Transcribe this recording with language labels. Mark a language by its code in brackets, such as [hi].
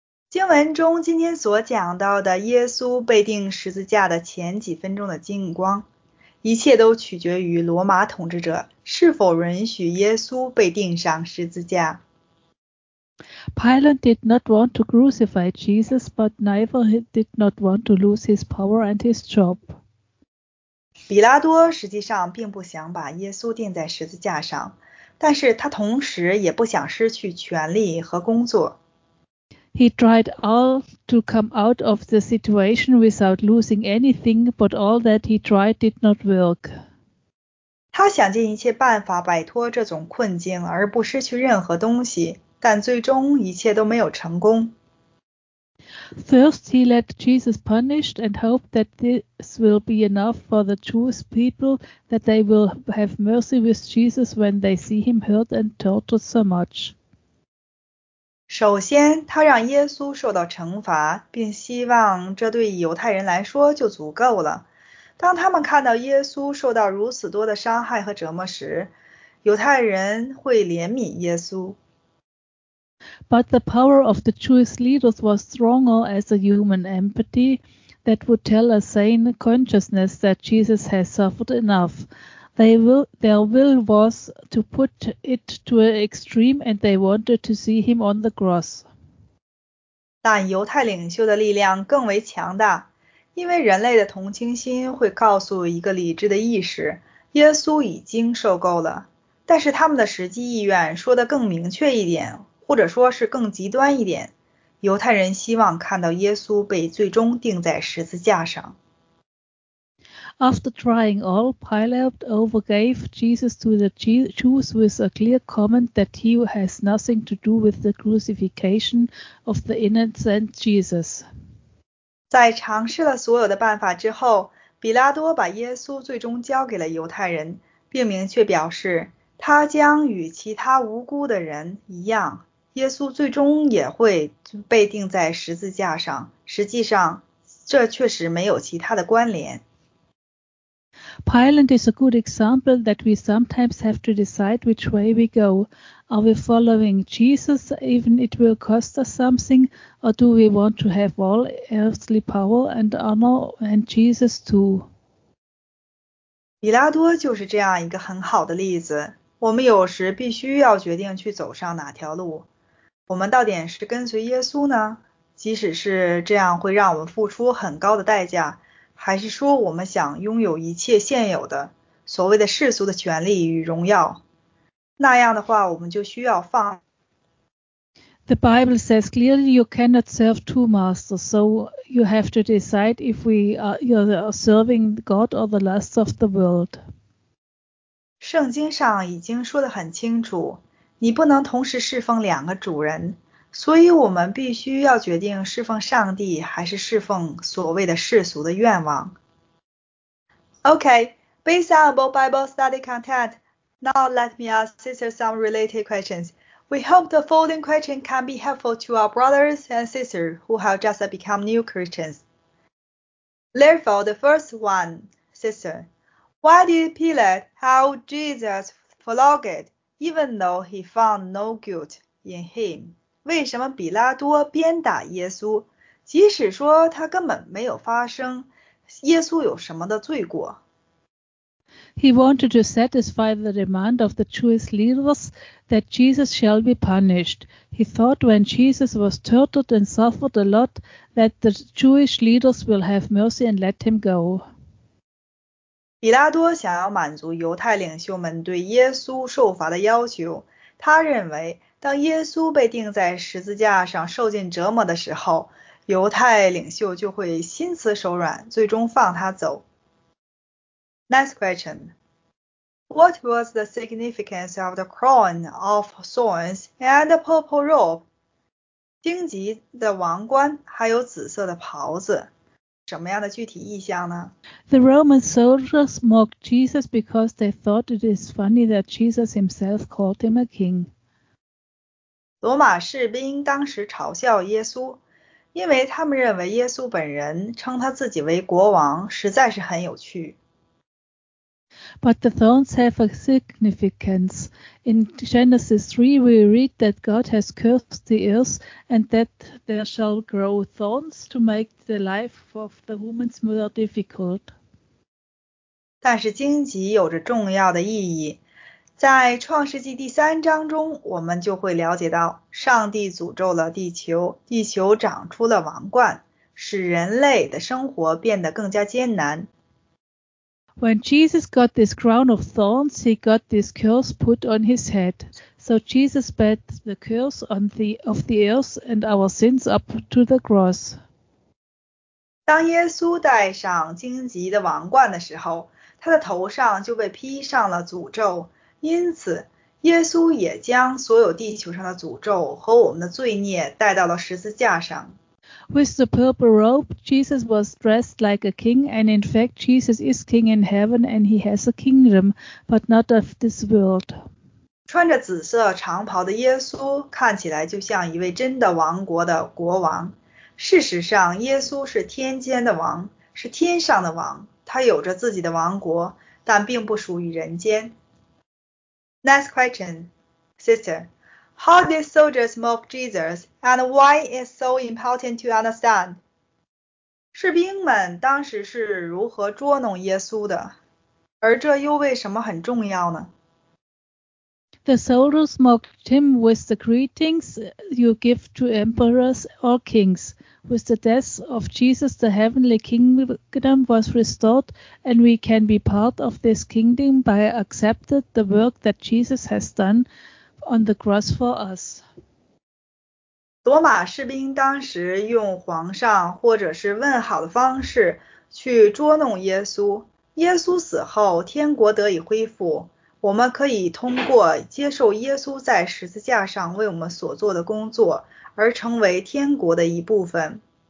[zh] 经文中今天所讲到的耶稣被钉十字架的前几分钟的经光，一切都取决于罗马统治者是否允许耶稣被钉上十字架。 [en] Pilate did not want to crucify Jesus, but neither did not want to lose his power and his job. [zh] 比拉多实际上并不想把耶稣钉在十字架上，但是他同时也不想失去权力和工作。 [en] He tried all to come out of the situation without losing anything, but all that he tried did not work. [zh] 他想尽一切办法摆脱这种困境而不失去任何东西。但最终一切都没有成功。 [en] First, he let Jesus punished and hoped that this will be enough for the Jewish people that they will have mercy with Jesus when they see him hurt and tortured so much. [zh] 首先，他让耶稣受到惩罚，并希望这对犹太人来说就足够了。当他们看到耶稣受到如此多的伤害和折磨时，犹太人会怜悯耶稣。 [en] But the power of the Jewish leaders was stronger as a human empathy that would tell a sane consciousness that Jesus has suffered enough. their will was to put it to an extreme, and they wanted to see him on the cross. [zh] 但犹太领袖的力量更为强大，因为人类的同情心会告诉一个理智的意识，耶稣已经受够了。但是他们的实际意愿说得更明确一点，或者说是更极端一点，犹太人希望看到耶稣被最终钉在十字架上。 [en] After trying all, Pilate overgave Jesus to the Jews with a clear comment that he has nothing to do with the crucifixion of the innocent Jesus. [zh] 在尝试了所有的办法之后，比拉多把耶稣最终交给了犹太人，并明确表示他将与其他无辜的人一样，耶稣最终也会被钉在十字架上。实际上，这确实没有其他的关联。 [en] Pilate is a good example that we sometimes have to decide which way we go. Are we following Jesus, even if it will cost us something, or do we want to have all earthly power and honor and Jesus too? [zh] 比拉多就是这样一个很好的例子。我们有时必须要决定去走上哪条路。我们到底是跟随耶稣呢？即使是这样会让我们付出很高的代价。还是说我们想拥有一切现有的所谓的世俗的权利与荣耀，那样的话我们就需要放。 [en] The Bible says clearly you cannot serve two masters, so you have to decide if we are serving God or the lusts of the world. [zh] 圣经上已经说得很清楚，你不能同时侍奉两个主人。所以我们必须要决定侍奉上帝还是侍奉所谓的世俗的愿望。 [en] OK, based on our Bible study content, now let me ask sisters some related questions. We hope the following question can be helpful to our brothers and sisters who have just become new Christians. Therefore, the first one, sister, why did Pilate have Jesus flogged even though he found no guilt in him? [zh] 为什么比拉多鞭打耶稣，即使说他根本没有发生耶稣有什么的罪过？ [en] He wanted to satisfy the demand of the Jewish leaders that Jesus shall be punished. He thought when Jesus was tortured and suffered a lot that the Jewish leaders will have mercy and let him go. [zh] 比拉多想要满足犹太领袖们对耶稣受罚的要求，他认为当耶稣被钉在十字架上受尽折磨的时候，犹太领袖就会心慈手软，最终放他走。 [en] Next question. What was the significance of the crown of thorns and the purple robe? [zh] 荆棘的王冠还有紫色的袍子。什么样的具体意象呢？ [en] The Roman soldiers mocked Jesus because they thought it is funny that Jesus himself called him a king. [zh] 罗马士兵当时嘲笑耶稣，因为他们认为耶稣本人称他自己为国王，实在是很有趣。 [en] But the thorns have a significance. In Genesis 3, we read that God has cursed the earth and that there shall grow thorns to make the life of the humans more difficult. [zh] 但是荆棘有着重要的意义。在创世纪第三章中，我们就会了解到，上帝诅咒了地球，地球长出了王冠，使人类的生活变得更加艰难。 [en] When Jesus got this crown of thorns, he got this curse put on his head. So Jesus bore the curse of the earth and our sins up to the cross. [zh] 当耶稣戴上荆棘的王冠的时候，他的头上就被披上了诅咒。因此，耶稣也将所有地球上的诅咒和我们的罪孽带到了十字架上。 [en] With the purple robe, Jesus was dressed like a king, and in fact, Jesus is king in heaven, and he has a kingdom, but not of this world. [zh] 穿着紫色长袍的耶稣看起来就像一位真的王国的国王。事实上，耶稣是天间的王，是天上的王，他有着自己的王国，但并不属于人间。 [en] Next question, sister. How did soldiers mock Jesus, and why is so important to understand? [zh] 士兵们当时是如何捉弄耶稣的？而这又为什么很重要呢？ [en] The soldiers mocked him with the greetings you give to emperors or kings. With the death of Jesus, the heavenly kingdom was restored, and we can be part of this kingdom by accepting the work that Jesus has done on the cross for us. [zh] 罗马士兵当时用皇上或者是问好的方式去捉弄耶稣。耶稣死后，天国得以恢复。我们可以通过接受耶稣在十字架上为我们所做的工作而成为天国的一部分。